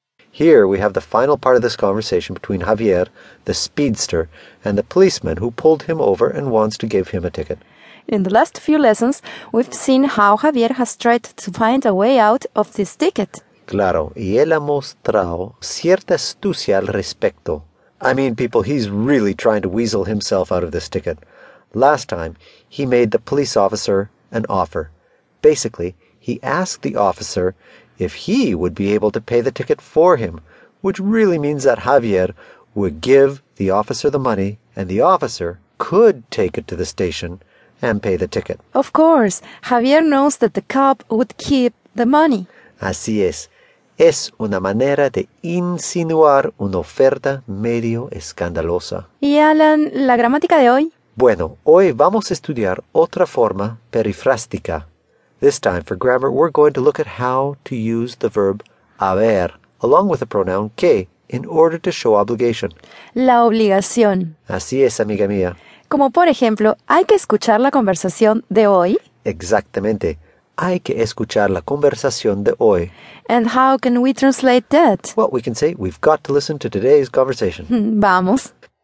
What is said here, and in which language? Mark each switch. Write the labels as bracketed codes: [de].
[en] Here we have the final part of this conversation between Javier, the speedster, and the policeman who pulled him over and wants to give him a ticket. In the last few lessons, we've seen how Javier has tried to find a way out of this ticket. [es] Claro, y él ha mostrado cierta astucia al respecto. [en] I mean, people, he's really trying to weasel himself out of this ticket. Last time, he made the police officer an offer. Basically, he asked the officer if he would be able to pay the ticket for him, which really means that Javier would give the officer the money and the officer could take it to the station and pay the ticket. Of course, Javier knows that the cop would keep the money. [es] Así es. Es una manera de insinuar una oferta medio escandalosa. ¿Y Alan, la gramática de hoy? Bueno, hoy vamos a estudiar otra forma perifrástica. [en] This time, for grammar, we're going to look at how to use the verb haber, along with the pronoun que, in order to show obligation. [es] La obligación. Así es, amiga mía. Como por ejemplo, ¿hay que escuchar la conversación de hoy? Exactamente. Hay que escuchar la conversación de hoy. [en] And how can we translate that? Well, we can say we've got to listen to today's conversation. [es] Vamos.